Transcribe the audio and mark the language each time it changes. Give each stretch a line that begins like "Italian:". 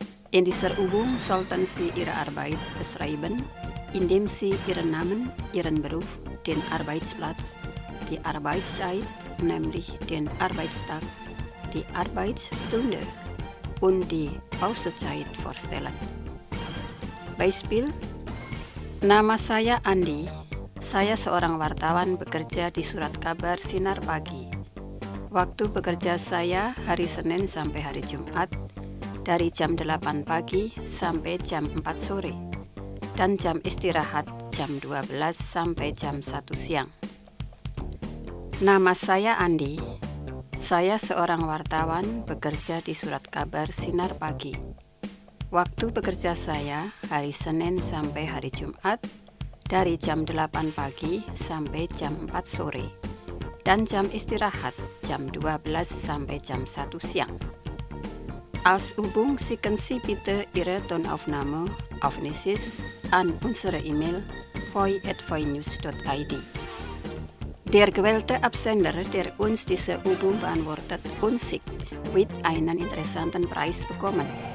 German: In dieser Übung sollten Sie Ihre Arbeit beschreiben, indem Sie Ihren Namen, Ihren Beruf, den Arbeitsplatz, die Arbeitszeit, nämlich den Arbeitstag, die Arbeitsstunde und die Pausezeit vorstellen.
Indonesian: Beispiel: Nama saya Andi. Saya seorang wartawan bekerja di surat kabar Sinar Pagi. Waktu bekerja saya hari Senin sampai hari Jumat dari jam 8 pagi sampai jam 4 sore dan jam istirahat jam 12 sampai jam 1 siang. Nama saya Andi. Saya seorang wartawan bekerja di surat kabar Sinar Pagi. Waktu bekerja saya hari Senin sampai hari Jumat dari jam 8 pagi sampai jam 4 sore dan jam istirahat jam 12 sampai jam 1 siang.
German: Als Übung schicken Sie bitte Ihre Tonaufnahme auf Nisis an unsere E-Mail voi@voinews.id. Der gewählte Absender, der uns diese Übung beantwortet und sich mit einem interessanten Preis bekommen.